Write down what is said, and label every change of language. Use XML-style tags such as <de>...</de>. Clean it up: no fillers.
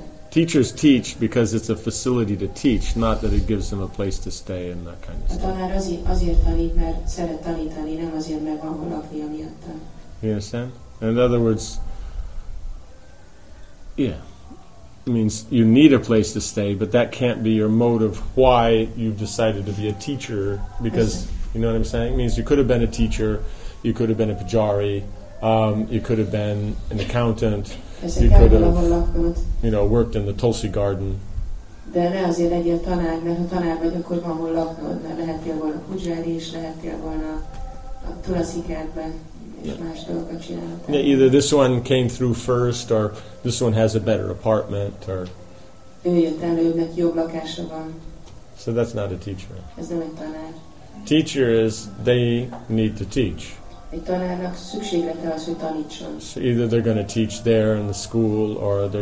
<en>Teachers teach because it's a facility to teach, not that it gives them a place to stay and that kind of stuff.</en> <hu>A tanár azért tanít, mert szeret tanítani, nem azért, mert van hol laknia miatta.</hu> <en>You understand? In other words, yeah. It means you need a place to stay, but that can't be your motive why you've decided to be a teacher, because, you know what I'm saying? It means you could have been a teacher, you could have been a pujari, you could have been an accountant, you could have, you know, worked in the Tulsi garden.</en> <hu>De ne azért legyél tanár, mert ha tanár vagy, akkor van hol laknod, mert lehetél volna pujari, és lehetél volna a Tulsi kertben, és más dolgokat csinálhatnál.</hu> <en>Yeah, either this one came through first, or this one has a better apartment, or...</en> <hu>Ő jött előbb, neki jobb lakása van.</hu> <en>So that's not a teacher.</en> <hu>Ez nem egy tanár.</hu> <en>Teacher is, they need to teach.</en> <hu>Egy tanárnak szüksége kell az, hogy tanítson.</hu> <en>So either they're going to teach there in the school, or they're</en>